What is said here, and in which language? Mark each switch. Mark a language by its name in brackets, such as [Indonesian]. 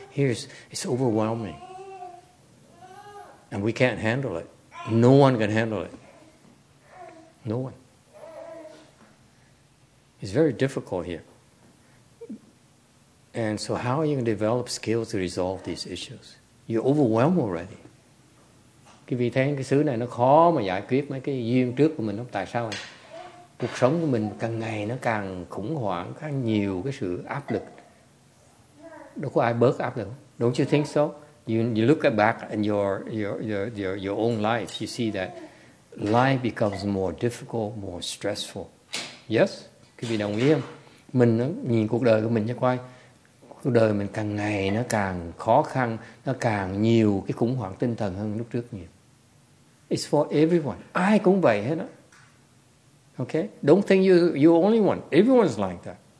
[English] It's overwhelming. And we can't handle it. No one can handle it. No one. It's very difficult here. And so how are you going to develop skills to resolve these issues? You're overwhelmed already. [Vietnamese] Cái vì thấy cái xứ này nó khó mà giải quyết mấy cái duyên trước của mình không? Tại sao? Cuộc sống của mình càng ngày nó càng khủng hoảng, càng nhiều cái sự áp lực. Đâu có ai bớt áp lực. [English] Don't you think so? You look back in your own life, you see that life becomes more difficult, more stressful. Yes? [Vietnamese] Cái vì đồng ý không? Mình nhìn cuộc đời của mình cho coi. Cuộc đời mình càng ngày nó càng khó khăn, nó càng nhiều cái khủng hoảng tinh thần hơn lúc trước nhiều. [English] It's for everyone. [Vietnamese] Ai cũng vậy hết á. Okay? [English] Don't think you're only one. Everyone's like that.